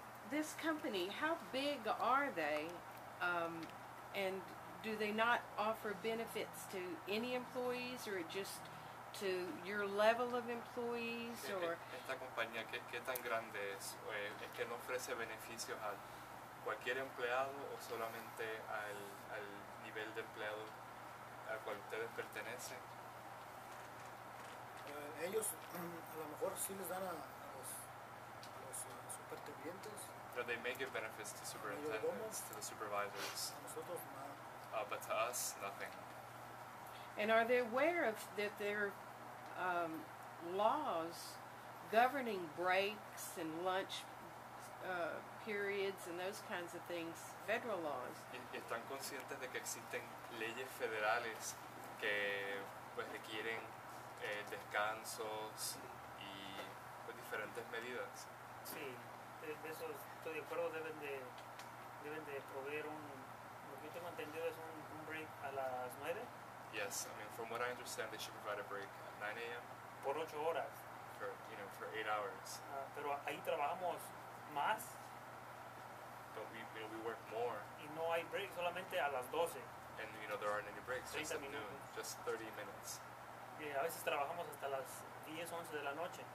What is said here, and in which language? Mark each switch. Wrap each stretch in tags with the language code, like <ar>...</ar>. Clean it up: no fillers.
<en>This company, how big are they? And do they not offer benefits to any employees, or just to your level of employees, or?</en> <es>Esta compañía, ¿qué tan grande es? ¿Es que no ofrece beneficios a cualquier empleado, o solamente al nivel de empleado al cual ustedes pertenecen? Ellos, a lo mejor, sí les dan a los supervivientes.</es> <en>But they may give benefits to superintendents, to the supervisors. But to us, nothing. And are they aware of that there are laws governing breaks and lunch periods and those kinds of things, federal laws?</en> <es>¿Y están conscientes de que existen leyes federales que pues requieren descansos y pues diferentes medidas? Sí, eso estoy de acuerdo, deben de proveer un.</es> <en>Yes, I mean, from what I understand, they should provide a break at 9 a.m.</en> <es>Por 8 horas.</es> <en>For 8 hours.</en> <es>Pero ahí trabajamos más.</es> <en>But we work more.</en> <es>Y no hay break, solamente a las 12.</es> <en>And, you know, there aren't any breaks, just at noon, just 30 minutes.</en> <es>Y a veces trabajamos hasta las 10, 11 de la noche.</es>